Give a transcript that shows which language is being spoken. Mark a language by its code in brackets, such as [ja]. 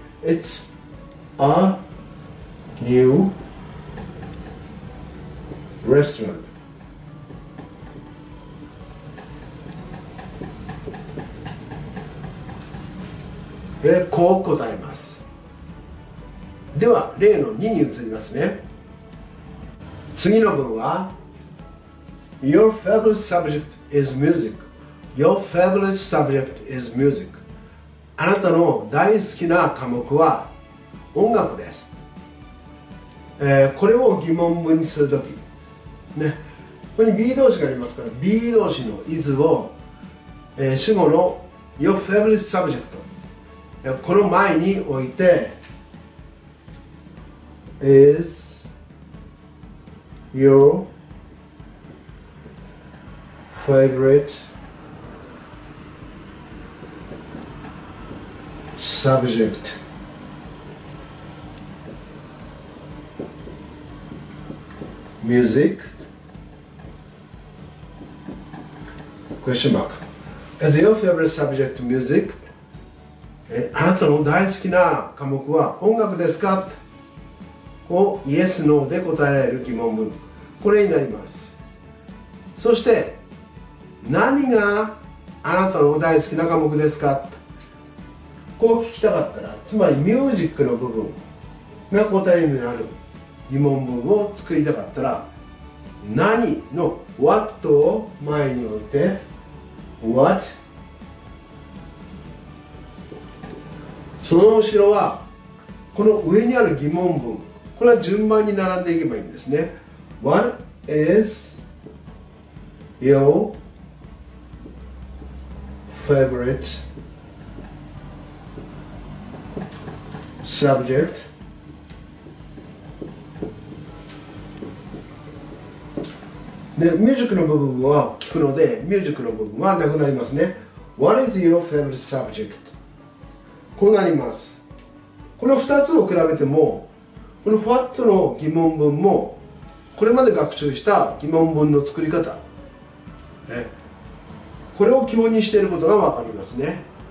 [en] It's a new restaurant。 [ja] で、こう答えます。では、例の2に移りますね。次の文は [en] Your favorite subject is music. Your favorite subject is music. [ja] あなたの大好きな科目は音楽です。これを疑問文にするとき、ね、ここに B 動詞がありますから B 動詞の is を、主語の Your favorite subject、 この前に置いて [en] isYour favorite subject music? Question mark. Is your favorite subject music? [ja] あなたの大好きな科目は音楽ですか?を Yes, No で答えられる疑問文、これになります。そして何があなたの大好きな科目ですか？とこう聞きたかったら、つまりミュージックの部分が答えになる疑問文を作りたかったら、何の What を前に置いて What、 その後ろはこの上にある疑問文、これは順番に並んでいけばいいんですね。 [en] What is your favorite subject? [ja] でミュージックの部分は聞くので、ミュージックの部分はなくなりますね。 [en] What is your favorite subject? [ja] こうなります。この2つを比べても、この What の疑問文もこれまで学習した疑問文の作り方、これを基本にしていることが分かりますね。